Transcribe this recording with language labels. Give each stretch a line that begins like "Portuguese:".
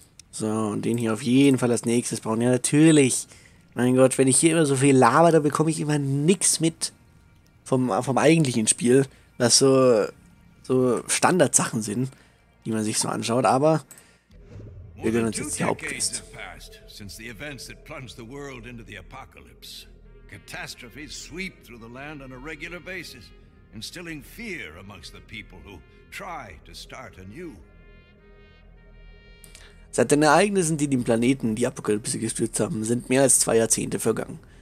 German: So, und den hier auf jeden Fall als nächstes bauen. Ja, natürlich. Mein Gott, wenn ich hier immer so viel laber, dann bekomme ich immer nichts mit vom eigentlichen Spiel. Was so Standardsachen sind, die man sich so anschaut. Aber wir gönnen uns jetzt die Hauptquest.
English: Since the events that plunged the world into the apocalypse, catastrophes sweep through the land on a regular basis, instilling fear amongst the people who try to start anew.
German: Seit den Ereignissen, die den Planeten, die Apokalypse gestürzt haben, sind mehr als 2 Jahrzehnte vergangen.